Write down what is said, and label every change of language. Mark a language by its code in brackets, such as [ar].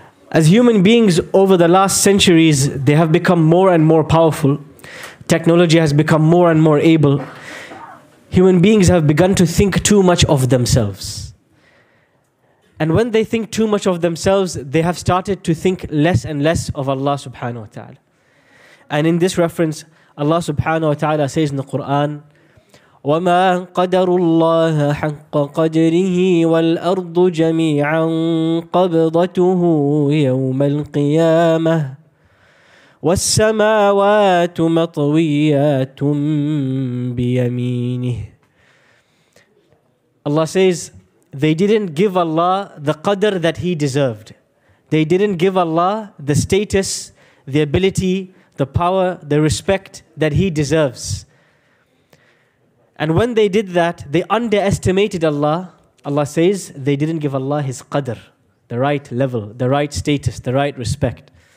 [en] As human beings, over the last centuries, they have become more and more powerful. Technology has become more and more able. Human beings have begun to think too much of themselves. And when they think too much of themselves, they have started to think less and less of Allah subhanahu wa ta'ala. [ar] And in this reference, Allah subhanahu wa ta'ala says in the Quran, وَمَا قَدَرُ اللَّهَ حَقَّ قَدْرِهِ وَالْأَرْضُ جَمِيعًا قَبْضَتُهُ يَوْمَ الْقِيَامَةِ وَالسَّمَاوَاتُ مَطْوِيَّاتٌ بِيَمِينِهِ. [en] Allah says, they didn't give Allah the qadr that He deserved. They didn't give Allah the status, the ability, the power, the respect that He deserves. And when they did that, they underestimated Allah. Allah says they didn't give Allah His qadr, the right level, the right status, the right respect.